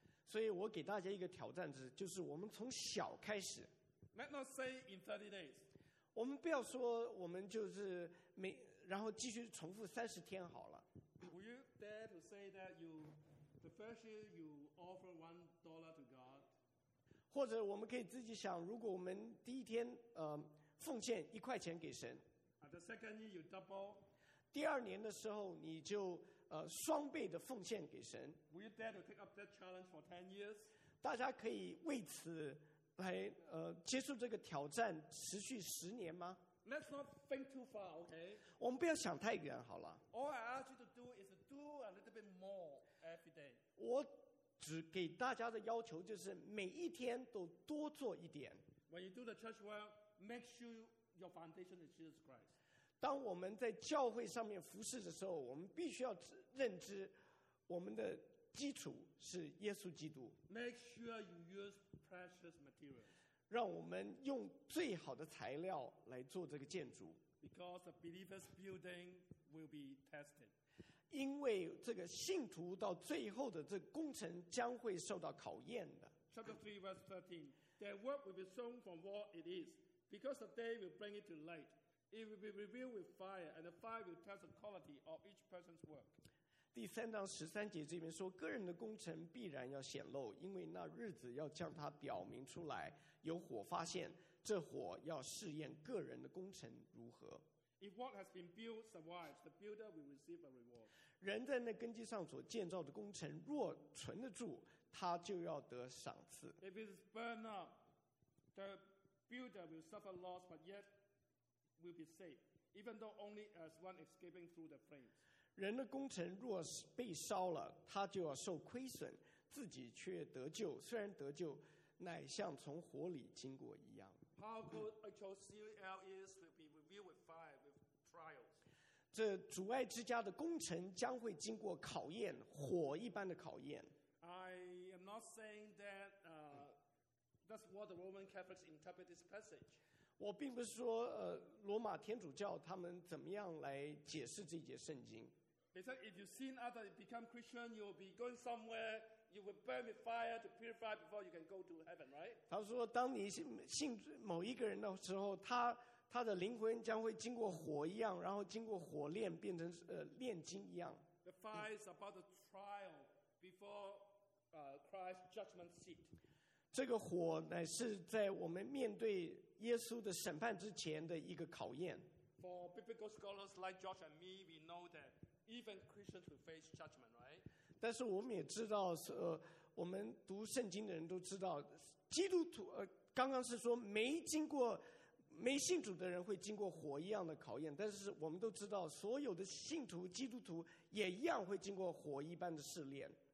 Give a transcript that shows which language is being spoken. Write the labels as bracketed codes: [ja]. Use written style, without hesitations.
[zh] 所以我给大家一个挑战，就是我们从小开始。 [en] Let's not say in 30 days. [zh] 我们不要说我们就是每然后继续重复30天好了。 [en] Would you dare to say that you, the first year you offer $1 to God? [zh] 或者我们可以自己想，如果我们第一天奉献1块钱给神。 [en] The second year you double. [zh] 第二年的时候你就双倍的奉献给神。 [en] Would you dare to take up that challenge for 10 years? [zh] 大家可以为此来接受这个挑战，持续10年吗？ [en] Let's not think too far, okay? [zh] 我们不要想太远好了。 [en] All I ask you to do is to do a little bit more every day. [zh] 我只给大家的要求就是每一天都多做一点。 [en] When you do the church well, make sure your foundation is Jesus Christ. [zh] 当我们在教会上面服事的时候，我们必须要认知我们的基础是耶稣基督。 [en] Make sure you use precious materials. [zh] 让我们用最好的材料来做这个建筑。 [en] Because the believer's building will be tested. [zh] 因为这个信徒到最后的这工程将会受到考验的。 [en] Chapter 3 verse 13. Their work will be shown for what it is, because the day will bring it to light. It will be revealed with fire, and the fire will test the quality of each person's work. [zh] 第三章十三节这边说，个人的工程必然要显露，因为那日子要将它表明出来，有火发现，这火要试验个人的工程如何。 [en] If what has been built survives, the builder will receive a reward. [zh] 人在那根基上所建造的工程若存得住，他就要得赏赐。 [en] If it is burned up, the builder will suffer loss, but yet will be saved, even though only as one escaping through the flames. [zh] 人的工程若是被烧了，他就要受亏损，自己却得救，虽然得救，乃像从火里经过一样。 [en] How could HOCL is will be revealed with fire, with trials? [zh] 这主爱之家的工程将会经过考验，火一般的考验。 [en] I am not saying that, that's what the Roman Catholics interpret this passage. [zh] 我并不是说罗马天主教他们怎么样来解释这节圣经。 [en] They said if you've seen others become Christian, you'll be going somewhere. You will burn with fire to purify before you can go to heaven, right? [zh] 他说，当你信某一个人的时候，他的灵魂将会经过火一样，然后经过火炼，变成炼金一样。 [en] The fire is about the trial before Christ's judgment seat. [zh] 这个火乃是在我们面对耶稣的审判之前的一个考验。 [en] For biblical scholars like Josh and me, we know that even Christians will face judgment, right? [zh] 但是我们也知道，我们读圣经的人都知道，基督徒刚刚是说没经过、没信主的人会经过火一样的考验。但是我们都知道，所有的信徒、基督徒也一样会经过火一般的试炼。